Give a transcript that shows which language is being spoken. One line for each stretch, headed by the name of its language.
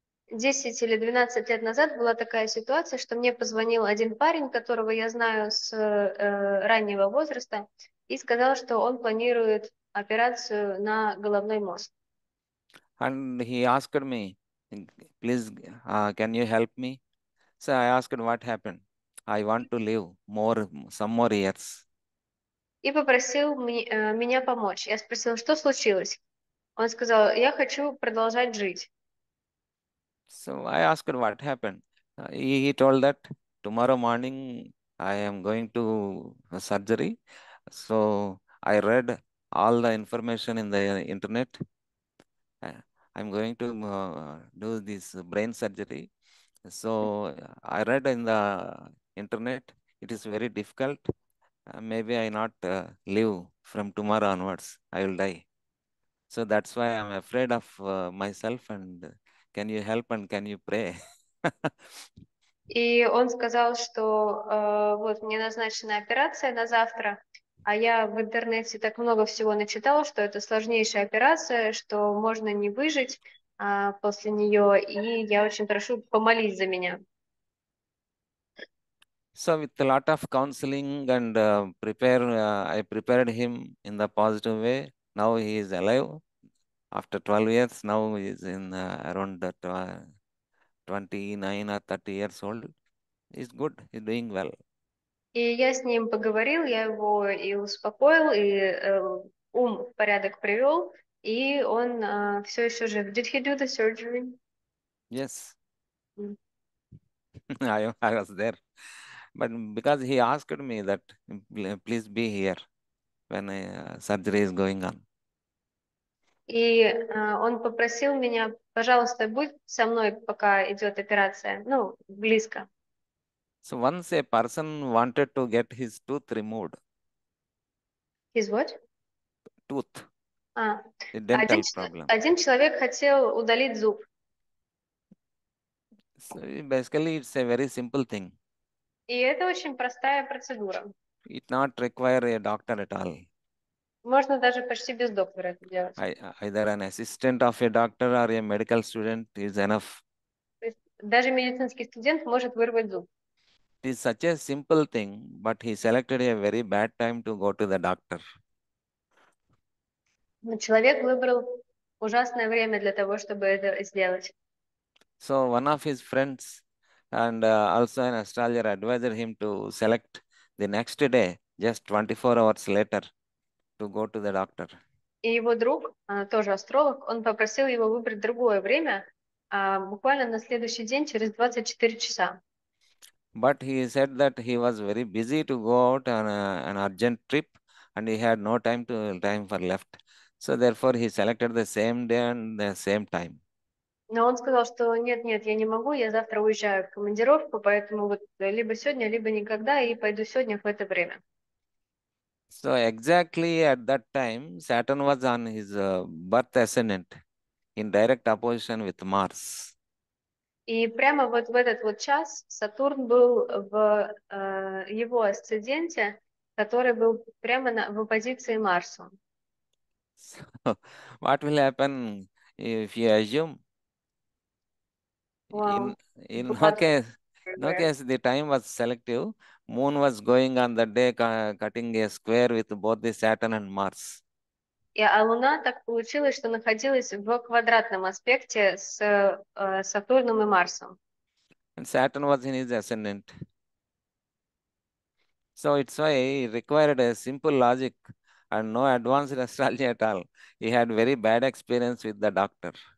Russian: 10 или 12 лет назад была такая ситуация, что мне позвонил один парень, которого я знаю с раннего возраста, и сказал, что он планирует операцию на головной мозг.
English: And he asked me, please, can you help me? So I asked, what happened? I want to live some more years.
Russian: И попросил меня помочь. Я спросил, что случилось? Он сказал, я хочу продолжать жить.
English: So I asked, what happened? He told that tomorrow morning I am going to a surgery. So I read all the information in the internet. I'm going to do this brain surgery. So I read in the internet, it is very difficult. Maybe I not live from tomorrow onwards. I will die. So that's why I'm afraid of myself. And can you help and can you pray?
Russian: И он сказал, что вот мне назначена операция на завтра. А я в интернете так много всего начитал, что это сложнейшая операция, что можно не выжить после нее, и я очень прошу помолить за меня.
English: So with a lot of counseling and I prepared him in the positive way. Now he is alive. After 12 years, now he is around 29 or 30 years old. He's good, he's doing well.
Russian: И я с ним поговорил, я его и успокоил, и ум в порядок привел, и он все еще жив.
English: Did he do the surgery? Yes. I was there. But because he asked me that, please be here when surgery is going on.
Russian: И он попросил меня, пожалуйста, будь со мной, пока идет операция, ну, близко.
English: So once a person wanted to get his tooth removed. His what? Tooth. А, a dental problem.
Russian: Один человек хотел удалить зуб.
English: So basically, it's a very simple thing.
Russian: И это очень простая процедура.
English: it not require a doctor at all.
Russian: Можно даже почти без доктора это делать.
English: Either an assistant of a doctor or a medical student is enough.
Russian: То есть даже медицинский студент может вырвать зуб.
English: It is such a simple thing, but he selected a very bad time to go to the doctor.
Russian: Но человек выбрал ужасное время для того, чтобы это сделать.
English: So one of his friends and also an astrologer advised him to select the next day, just 24 hours later, to go to the doctor.
Russian: И его друг, тоже астролог, он попросил его выбрать другое время, буквально на следующий день, через 24 часа.
English: But he said that he was very busy to go out on an urgent trip and he had no time for left. So therefore he selected the same day and the same time.
Russian: Но он сказал, что нет, нет, я не могу, я завтра уезжаю в командировку, поэтому вот либо сегодня, либо никогда, и пойду сегодня в это время.
English: So exactly at that time, Saturn was on his birth ascendant in direct opposition with Mars.
Russian: И прямо вот в этот вот час Сатурн был в его асценденте, который был прямо в оппозиции Марсу.
English: So, what will happen if you assume? Wow. In no case, the time was selective. Moon was going on that day, cutting a square with both the Saturn and Mars.
Russian: А Луна так получилось, что находилась в квадратном аспекте с Сатурном и Марсом.
English: And Saturn was in his ascendant. So it's why he required a simple logic and no advanced astrology at all. He had very bad experience with the doctor.